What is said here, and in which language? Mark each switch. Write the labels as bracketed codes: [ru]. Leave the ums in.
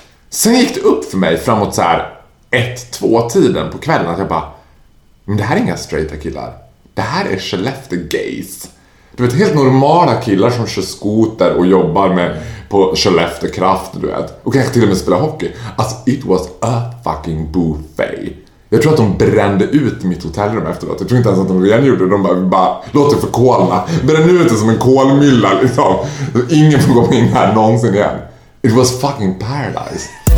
[sv] Sen gick det upp för mig framåt så här 1-2 tiden på kvällen att jag bara, men det här är inga straighta killar. Det här är Skellefte-gays. Du vet, helt normala killar som kör skoter och jobbar med på Skellefte Kraft, du vet. Och kanske till och med spelar hockey. [en] Alltså, it was a fucking buffet. [sv] Jag tror att de brände ut mitt hotellrum efteråt. Jag tror inte ens att de redan gjorde det. De bara, bara låter för det förkolna. Brände ut det som en kolmylla liksom. Så ingen får gå in här någonsin igen. [en] It was fucking paradise.